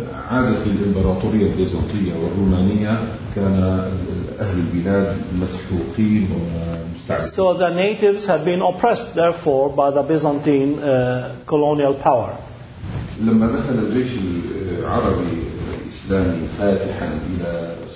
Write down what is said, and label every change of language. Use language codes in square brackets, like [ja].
[ar] عادة الإمبراطورية البيزنطية والرومانية كان أهل البلاد مسحوقين ومستعبدين. [en] So the natives had been oppressed, therefore, by the Byzantine colonial power. [ar] لما دخل الجيش العربي الإسلامي فاتحا إلى